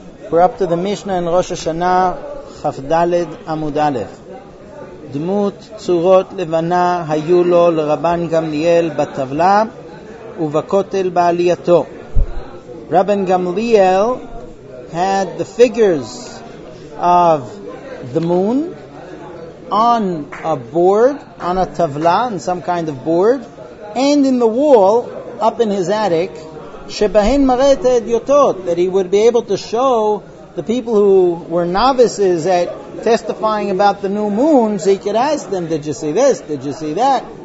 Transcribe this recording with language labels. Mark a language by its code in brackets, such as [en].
[en] We're up to the Mishnah in Rosh Hashanah, Chaf Dalet Amud Aleph. [he] דמות צורות לבנה היו לו לרבן גמליאל בטבלה ובכותל בעלייתו. [en] רבן גמליאל had the figures of the moon on a board, on a tavla, on some kind of board, and in the wall, up in his attic, [he] שבהן מראית הדיוטות, [en] that he would be able to show the people who were novices at testifying about the new moon, so he could ask them, did you see this? Did you see that?